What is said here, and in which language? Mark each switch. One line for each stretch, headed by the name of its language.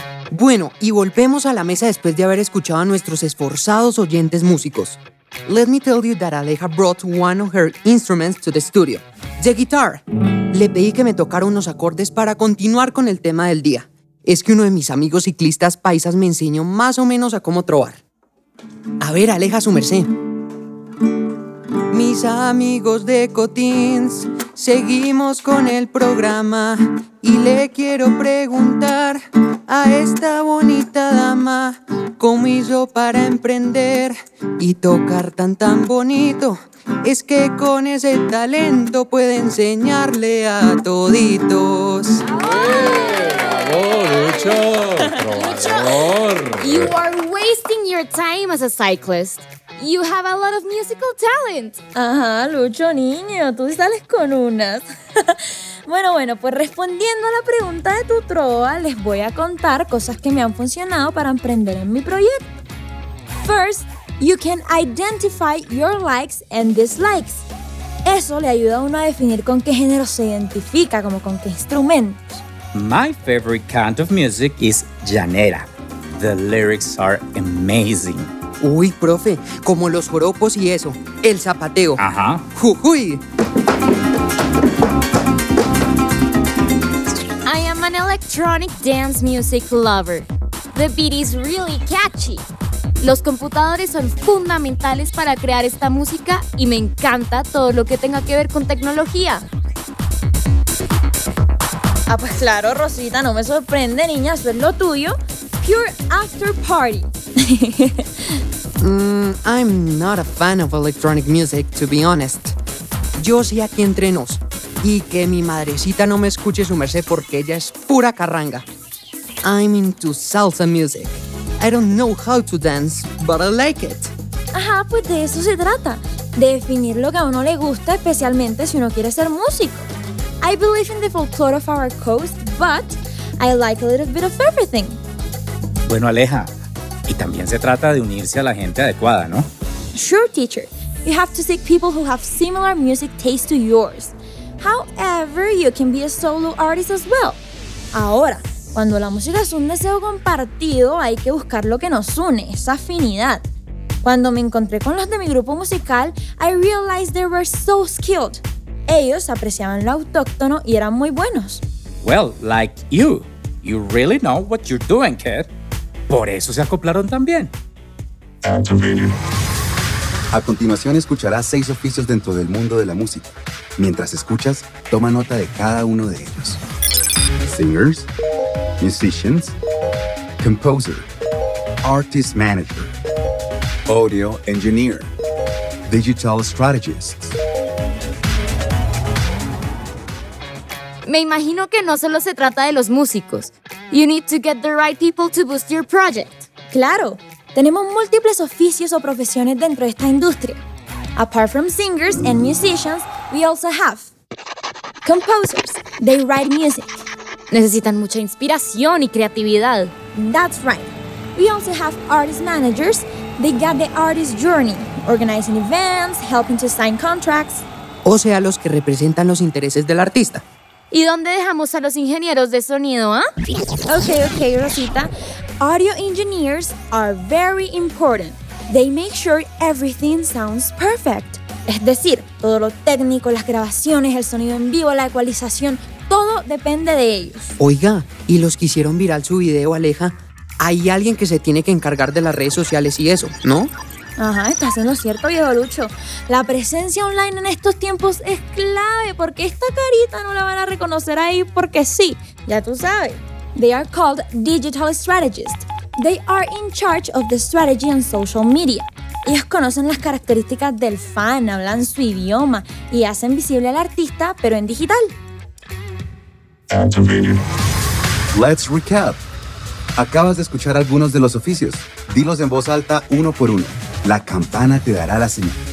Spanish: Bueno, y volvemos a la mesa después de haber escuchado a nuestros esforzados oyentes músicos.
English: Let me tell you that Aleja brought one of her instruments to the studio, the guitar.
Spanish: Le pedí que me tocara unos acordes para continuar con el tema del día. Es que uno de mis amigos ciclistas paisas me enseñó más o menos a cómo trobar. A ver, Aleja, su merced. Mis amigos de Cotins, seguimos con el programa y le quiero preguntar a esta bonita dama cómo hizo para emprender y tocar tan tan bonito. Es que con ese talento puede enseñarle a toditos. ¡Bravo, Lucho!
English: Lucho, you are wasting your time as a cyclist. You have a lot of musical talent.
Spanish: Ajá, Lucho, niño, tú sales con unas. Bueno, pues respondiendo a la pregunta de tu trova, les voy a contar cosas que me han funcionado para emprender en mi proyecto.
English: First, you can identify your likes and dislikes.
Spanish: Eso le ayuda a uno a definir con qué género se identifica, como con qué instrumentos.
English: My favorite kind of music is llanera. The lyrics are amazing.
Spanish: Uy, profe, como los joropos y eso, el zapateo. Ajá. ¡Jujuy!
English: I am an electronic dance music lover. The beat is really catchy.
Spanish: Los computadores son fundamentales para crear esta música y me encanta todo lo que tenga que ver con tecnología. Ah, pues claro, Rosita, no me sorprende, niña, eso es lo tuyo.
English: Pure after party. I'm not a fan of electronic music, to be honest.
Spanish: Yo sí aquí entre nos. Y que mi madrecita no me escuche su merced porque ella es pura carranga.
English: I'm into salsa music. I don't know how to dance, but I like it.
Spanish: Ajá, pues de eso se trata. De definir lo que a uno le gusta, especialmente si uno quiere ser músico.
English: I believe in the folklore of our coast, but I like a little bit of everything.
Spanish: Bueno, Aleja, y también se trata de unirse a la gente adecuada, ¿no?
English: Sure, teacher. You have to seek people who have similar music taste to yours. However, you can be a solo artist as well.
Spanish: Ahora, cuando la música es un deseo compartido, hay que buscar lo que nos une, esa afinidad. Cuando me encontré con los de mi grupo musical,
English: I realized they were so skilled.
Spanish: Ellos apreciaban lo autóctono y eran muy buenos.
English: Well, like you. You really know what you're doing, kid.
Spanish: Por eso se acoplaron también. A continuación escucharás 6 oficios dentro del mundo de la música. Mientras escuchas, toma nota de cada uno de ellos.
English: Singers, musicians, composer, artist manager, audio engineer, digital strategist.
Spanish: Me imagino que no solo se trata de los músicos.
English: You need to get the right people to boost your project.
Spanish: Claro, tenemos múltiples oficios o profesiones dentro de esta industria.
English: Apart from singers and musicians, we also have composers. They write music.
Spanish: Necesitan mucha inspiración y creatividad.
English: That's right. We also have artist managers. They got the artist journey, organizing events, helping to sign contracts.
Spanish: O sea, los que representan los intereses del artista. ¿Y dónde dejamos a los ingenieros de sonido, ah?
English: Okay, Rosita. Audio engineers are very important. They make sure everything sounds perfect.
Spanish: Es decir, todo lo técnico, las grabaciones, el sonido en vivo, la ecualización, todo depende de ellos. Oiga, y los que hicieron viral su video, Aleja, hay alguien que se tiene que encargar de las redes sociales y eso, ¿no? Ajá, está siendo cierto, viejo Lucho. La presencia online en estos tiempos es clave porque esta carita no la van a reconocer ahí porque sí, ya tú sabes.
English: They are called digital strategists. They are in charge of the strategy on social media.
Spanish: Ellos conocen las características del fan, hablan su idioma y hacen visible al artista, pero en digital.
English: Let's recap.
Spanish: Acabas de escuchar algunos de los oficios. Dilos en voz alta uno por uno. La campana te dará la señal.